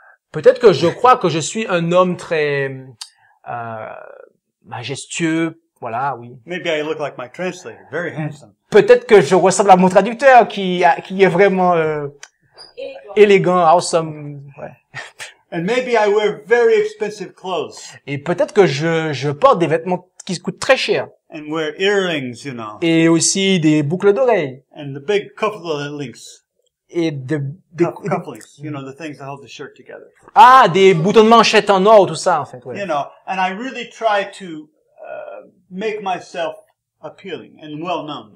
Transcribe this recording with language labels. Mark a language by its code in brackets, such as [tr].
[fr] Peut-être que je crois que je suis un homme très majestueux. Voilà, oui. [en] Maybe I look like my translator, very handsome. [fr] Peut-être que je ressemble à mon traducteur qui est vraiment élégant, awesome. Ouais. [en] And maybe I wear very expensive clothes. [fr] Et peut-être que je porte des vêtements qui coûtent très cher. [en] And wear earrings, you know. [fr] Et aussi des boucles d'oreilles. [en] And the big cufflinks links. [fr] Et [en] cufflinks, you know, the things that hold the shirt together. [fr] Ah, des boutons de manchette en or, tout ça, en fait. Ouais. [en] You know, and I really try to make myself appealing and well known.